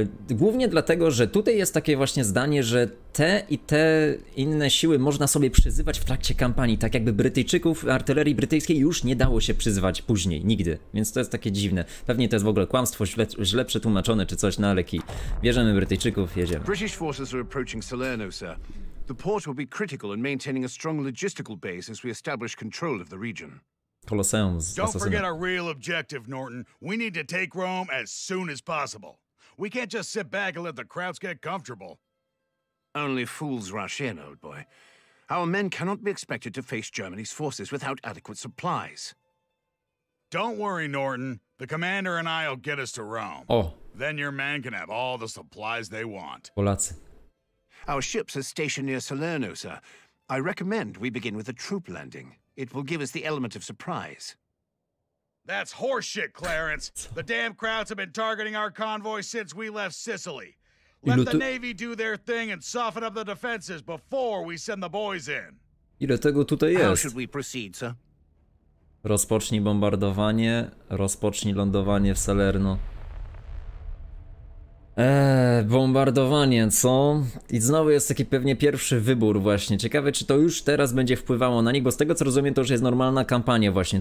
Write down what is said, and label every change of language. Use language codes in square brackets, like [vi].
[pl] Głównie dlatego, że tutaj jest takie właśnie zdanie, że te i te inne siły można sobie przyzywać w trakcie kampanii, tak jakby Brytyjczyków, artylerii brytyjskiej już nie dało się przyzywać później, nigdy. Więc to jest takie dziwne. Pewnie to jest w ogóle kłamstwo, źle przetłumaczone czy coś, no ale kij. Bierzemy Brytyjczyków, jedziemy. [en] British forces are approaching Salerno, sir. The port will be critical in maintaining a strong logistical base as we establish control of the region. Colosseum z Don't forget our real objective, Norton. We need to take Rome as soon as possible. We can't just sit back and let the crowds get comfortable. Only fools rush in, old boy. Our men cannot be expected to face Germany's forces without adequate supplies. Don't worry, Norton. The commander and I'll get us to Rome. Oh. Then your men can have all the supplies they want. [pl] Polacy. [en] Our ships are stationed near Salerno, sir. I recommend we begin with a troop landing. It will give us the element of surprise. That's horseshit, Clarence. The damn crowds have been targeting our convoy since we left Sicily. Let the navy do their thing and soften up the defenses before we send the boys in. [pl] Ile tego tutaj jest? [en] How should we proceed, sir? [pl] Rozpocznij bombardowanie, rozpocznij lądowanie w Salerno. Bombardowanie, co? I znowu jest taki pewnie pierwszy wybór właśnie. Ciekawe, czy to już teraz będzie wpływało na nich, bo z tego co rozumiem, to już jest normalna kampania właśnie.